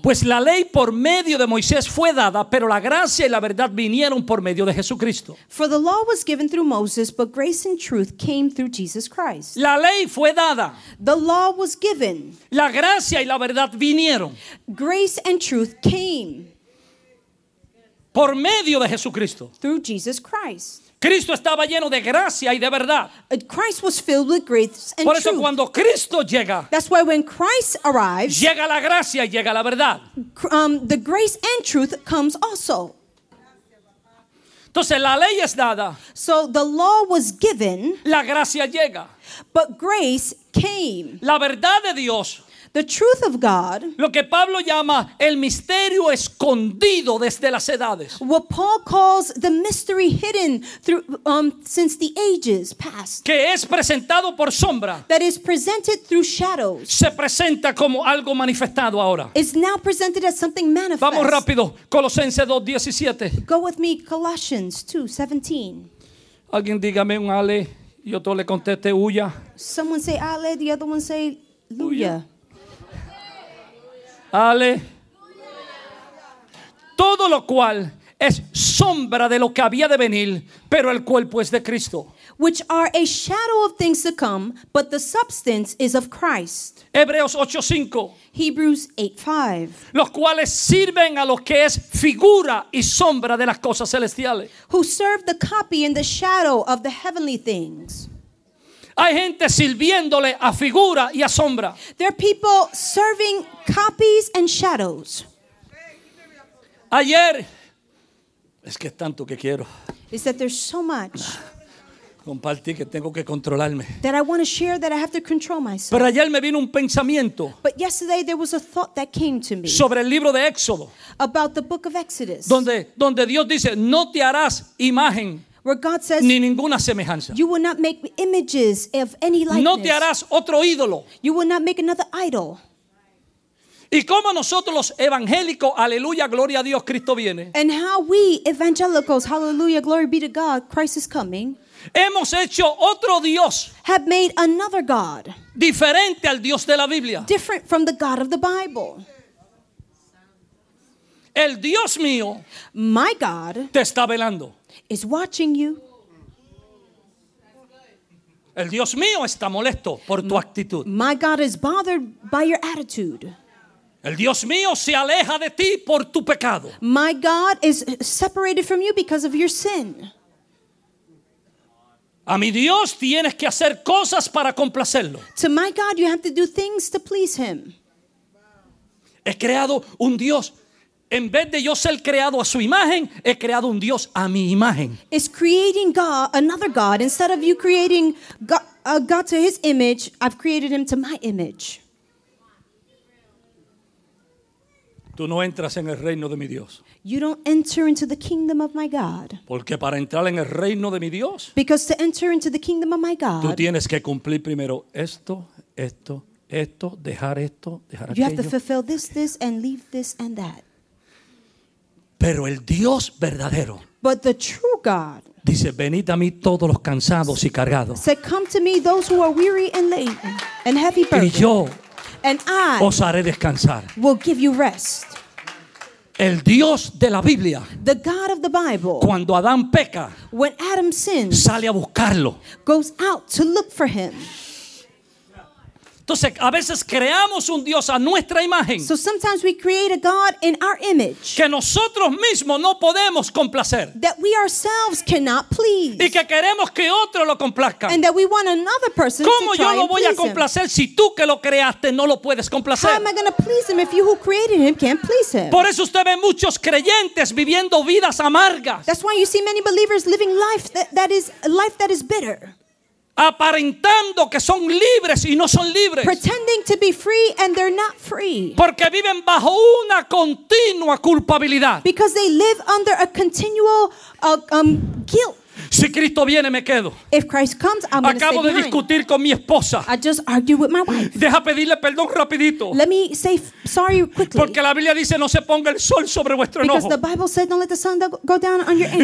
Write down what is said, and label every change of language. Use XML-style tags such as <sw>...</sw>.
<es>Pues la ley por medio de Moisés fue dada, pero la gracia y la verdad vinieron por medio de Jesucristo.</es> <en>For the law was given through Moses, but grace and truth came through Jesus Christ.</en> <es>La ley fue dada.</es> <en>The law was given.</en> <es>La gracia y la verdad vinieron.</es> <en>Grace and truth came.</en> <es>Por medio de Jesucristo.</es> <en>Through Jesus Christ.</en> <es>Cristo estaba lleno de gracia y de verdad.</es> <en>Christ was filled with grace and truth.</en> <es>Por eso cuando Cristo llega.</es> <en>That's why when Christ arrives.</en> <es>Llega la gracia y llega la verdad.</es> <en>The grace and truth comes also.</en> <es>Entonces la ley es dada.</es> <en>So the law was given.</en> <es>La gracia llega.</es> <en>But grace came.</en> <es>La verdad de Dios.</es> <en>The truth of God.</en> <es>Lo que Pablo llama el misterio escondido desde las edades.</es> <en>What Paul calls the mystery hidden through since the ages past.</en> <es>Que es presentado por sombra.</es> <en>That is presented through shadows.</en> <es>Se presenta como algo manifestado ahora.</es> <en>Is now presented as something manifest.</en> <es>Vamos rápido, Colosenses 2:17.</es> <en>Go with me, Colossians 2:17.</en> <es>Alguien dígame un ale y otro le conteste huya.</es> <en>Someone say ale, the other one say luya.</en> <es>Ale. Todo lo cual es sombra de lo que había de venir, pero el cuerpo es de Cristo.</es> <en>Which are a shadow of things to come, but the substance is of Christ.</en> <es>Hebreos 8:5.</es> <en>Hebrews 8:5.</en> <es>Los cuales sirven a lo que es figura y sombra de las cosas celestiales.</es> <en>Who serve the copy and the shadow of the heavenly things.</en> <es>Hay gente sirviéndole a figura y a sombra.</es> <en>There are people serving copies and shadows.</en> <es>Ayer, es que es tanto que quiero.</es> <en>Is that there's so much.</en> <es>Compartí que tengo que controlarme.</es> <en>That I want to share, that I have to control myself.</en> <es>Pero ayer me vino un pensamiento.</es> <en>But yesterday there was a thought that came to me.</en> <es>Sobre el libro de Éxodo.</es> <en>About the book of Exodus.</en> <es>Donde Dios dice, no te harás imagen.</es> <en>Where God says,</en> <es>ni ninguna semejanza.</es> <en>You will not make images of any likeness.</en> <es>No te harás otro ídolo.</es> <en>You will not make another idol.</en> <es>Y cómo nosotros los evangélicos, aleluya, gloria a Dios, Cristo viene.</es> <en>And how we evangelicals, hallelujah, glory be to God, Christ is coming.</en> <es>Hemos hecho otro Dios.</es> <en>Have made another God.</en> <es>Diferente al Dios de la Biblia.</es> <en>Different from the God of the Bible.</en> <es>El Dios mío.</es> <en>My God.</en> <es>Te está velando.</es> <en>Is watching you.</en> <es>El Dios mío está molesto por tu actitud.</es> <en>My God is bothered by your attitude.</en> <es>El Dios mío se aleja de ti por tu pecado.</es> <en>My God is separated from you because of your sin.</en> <es>A mi Dios tienes que hacer cosas para complacerlo.</es> <en>To my God you have to do things to please him.</en> <es>He creado un Dios. En vez de yo ser creado a su imagen, he creado un Dios a mi imagen.</es> <en>Is creating God, another God, instead of you creating God to his image, I've created him to my image.</en> <es>Tú no entras en el reino de mi Dios.</es> <en>You don't enter into the kingdom of my God.</en> <es>Porque para entrar en el reino de mi Dios,</es> <en>because to enter into the kingdom of my God,</en> <es>tú tienes que cumplir primero esto, esto, esto, dejar esto, dejar</es> <en>you</en> <es>aquello.</es> <en>You have to fulfill this, this, and leave this and that.</en> <es>Pero el Dios verdadero.</es> <en>But the true God.</en> <es>Dice, venid a mí todos los cansados y cargados.</es> <en>Say, come to me those who are weary and laden and heavy burdened.</en> <es>Y yo.</es> <en>And I.</en> <es>Os haré descansar.</es> <en>Will give you rest.</en> <es>El Dios de la Biblia.</es> <en>The God of the Bible.</en> <es>Cuando Adán peca.</es> <en>When Adam sins.</en> <es>Sale a buscarlo.</es> <en>Goes out to look for him.</en> <es>Entonces, a veces creamos un Dios a nuestra imagen.</es> <en>So sometimes we create a God in our image.</en> <es>Que nosotros mismos no podemos complacer.</es> <en>That we ourselves cannot please.</en> <es>Y que queremos que otro lo complazca.</es> <en>And that we want another person to try and please him.</en> <es>¿Cómo yo lo voy a complacer si tú que lo creaste no lo puedes complacer?</es> <en>How am I going to please him if you who created him can't please him?</en> <es>Por eso usted ve muchos creyentes viviendo vidas amargas.</es> <en>That's why you see many believers living life that is bitter.</en> <es>Aparentando que son libres y no son libres.</es> <en>Pretending to be free and they're not free.</en> <es>Porque viven bajo una continua culpabilidad.</es> <en>Because they live under a continual guilt.</en> <es>Si Cristo viene, me quedo.</es> <en>If Christ comes, I'm going to stay behind.</en> <es>Acabo de discutir con mi esposa.</es> <en>I just argued with my wife.</en> <es>Deja pedirle perdón rapidito.</es> <en>Let me say sorry quickly.</en> <es>Porque la Biblia dice no se ponga el sol sobre vuestro enojo.</es> <en>Because the Bible said don't let the sun go down on your anger.</en>